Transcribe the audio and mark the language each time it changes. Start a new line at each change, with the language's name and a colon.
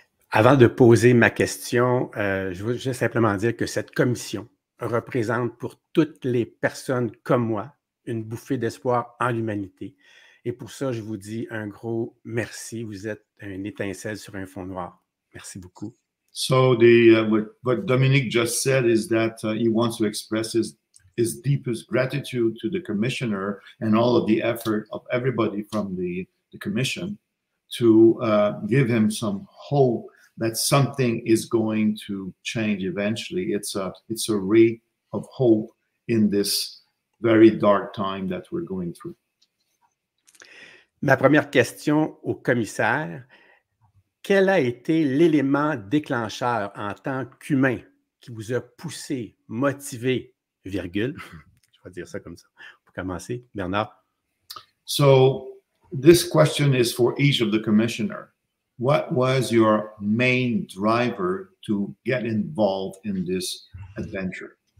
French: Avant de poser ma question, je veux juste simplement dire que cette commission représente pour toutes les personnes comme moi une bouffée d'espoir en l'humanité. Et pour ça, je vous dis un gros merci. Vous êtes une étincelle sur un fond noir. Merci beaucoup.
English: So what Dominique just said is that he wants to express his deepest gratitude to the commissioner and all of the effort of everybody from the commission to give him some hope that something is going to change eventually. It's a ray of hope in this very dark time that we're going through.
French: Ma première question au commissaire. Quel a été l'élément déclencheur en tant qu'humain qui vous a poussé, motivé, virgule, je vais dire ça comme ça, pour commencer, Bernard?
English: So, this question is for each of the commissioner. What was your main driver to get involved in this adventure?